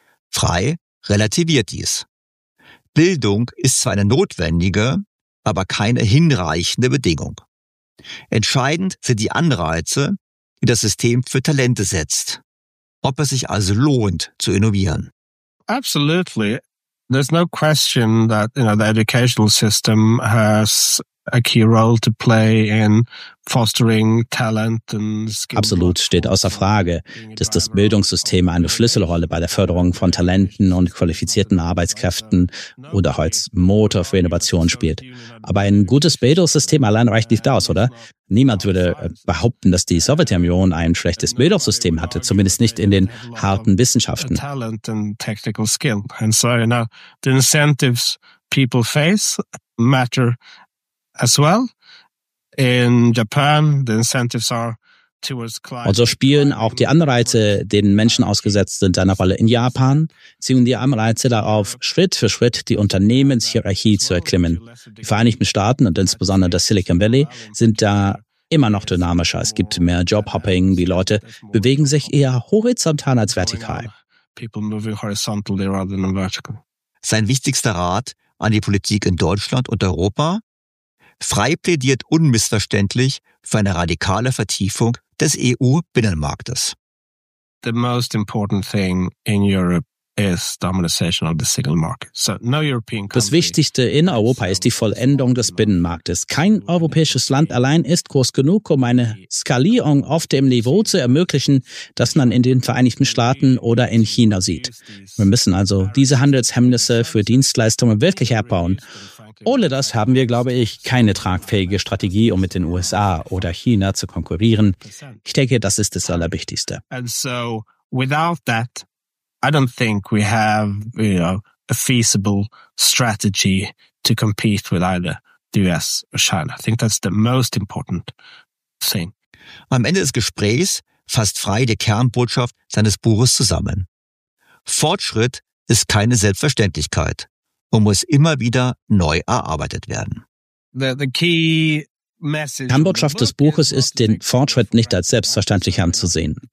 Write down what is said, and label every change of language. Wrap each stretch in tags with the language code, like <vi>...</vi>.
<de>Frey relativiert dies. Bildung ist zwar eine notwendige, aber keine hinreichende Bedingung. Entscheidend sind die Anreize, die das System für Talente setzt. Ob es sich also lohnt, zu innovieren.</de> <en>Absolutely. There's no question that, you know, the educational system has a key role to play in fostering talent and skills.</en> <de>Absolut, steht außer Frage, dass das Bildungssystem eine Schlüsselrolle bei der Förderung von Talenten und qualifizierten Arbeitskräften oder als Motor für Innovation spielt. Aber ein gutes Bildungssystem allein reicht nicht aus, oder? Niemand würde behaupten, dass die Sowjetunion ein schlechtes Bildungssystem hatte, zumindest nicht in den harten Wissenschaften.</de> <en>Talent and technical skill. And so, you know, the incentives people face matter. As well, in Japan, the incentives are towards climate.</en> <de>Und so spielen auch die Anreize, denen Menschen ausgesetzt sind, eine Rolle. In Japan ziehen die Anreize darauf, Schritt für Schritt die Unternehmenshierarchie zu erklimmen. Die Vereinigten Staaten und insbesondere das Silicon Valley sind da immer noch dynamischer. Es gibt mehr Jobhopping, die Leute bewegen sich eher horizontal als vertikal.</de> <en>People moving horizontally rather than vertical.</en> <de>Sein wichtigster Rat an die Politik in Deutschland und Europa? Frey plädiert unmissverständlich für eine radikale Vertiefung des EU-Binnenmarktes.</de> <en>The most important thing in Europe is harmonization of the single market. So no European country.</en> <de>Das Wichtigste in Europa ist die Vollendung des Binnenmarktes. Kein europäisches Land allein ist groß genug, um eine Skalierung auf dem Niveau zu ermöglichen, das man in den Vereinigten Staaten oder in China sieht. Wir müssen also diese Handelshemmnisse für Dienstleistungen wirklich abbauen. Ohne das haben wir, glaube ich, keine tragfähige Strategie, um mit den USA oder China zu konkurrieren. Ich denke, das ist das Allerwichtigste.</de> <en>And so without that, I don't think we have, you know, a feasible strategy to compete with either the US or China. I think that's the most important thing.</en> <de>Am Ende des Gesprächs fasst Frey die Kernbotschaft seines Buches zusammen. Fortschritt ist keine Selbstverständlichkeit und muss immer wieder neu erarbeitet werden. Kernbotschaft des Buches ist, den Fortschritt nicht als selbstverständlich anzusehen.</de>